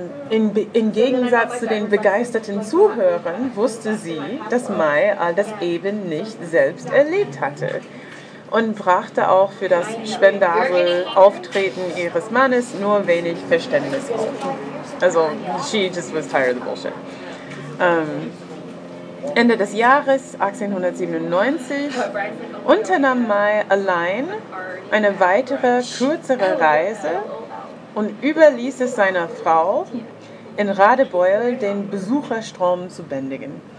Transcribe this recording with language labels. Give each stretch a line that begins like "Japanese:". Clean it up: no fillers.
German: Im Gegensatz zu den begeisterten Zuhörern wusste sie, dass Mai all das eben nicht selbst erlebt hatte und brachte auch für das spendable Auftreten ihres Mannes nur wenig Verständnis auf.
English: Also, she just was tired of the bullshit.
German: Ende des Jahres 1897 unternahm Mai allein eine weitere, kürzere Reise und überließ es seiner Frau, in Radebeul den Besucherstrom zu bändigen.